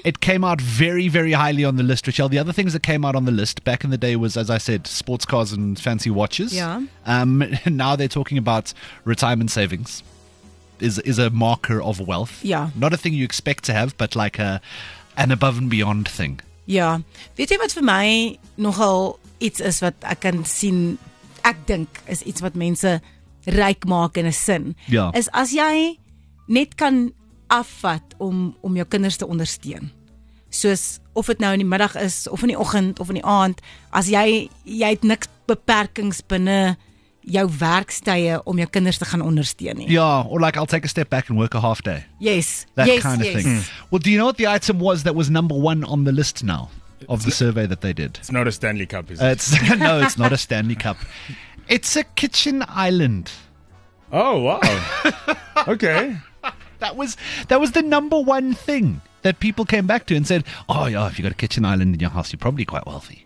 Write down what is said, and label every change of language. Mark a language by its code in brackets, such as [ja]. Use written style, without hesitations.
[en] It came out very, very highly on the list, Rochelle. The other things that came out on the list back in the day was, as I said, sports cars and fancy watches. Yeah. Now they're talking about retirement savings. Is a marker of wealth. Yeah. Not a thing you expect to have, but like an above and beyond thing. Yeah. [af] Weet jy wat vir my nogal iets is wat ek kan sien, ek dink, is iets wat mense ryk maak in 'n sin. Ja. Is as jy net kan afvat om jou kinders te ondersteun. Soos of het nou in die middag is, of in die oggend, of in die aand, as jy het niks beperkings binne jou werkstye om jou kinders te gaan ondersteun nie. [en] Ja, or like I'll take a step back and work a half day. Yes, that yes, kind of yes. Thing. Well, do you know what the item was that was number one on the list now of the survey that they did? It's not a Stanley Cup, is it? No, it's not a Stanley Cup. It's a kitchen island. Oh, wow. Okay. That was the number one thing that people came back to and said, oh, yeah, if you've got a kitchen island in your house, you're probably quite wealthy.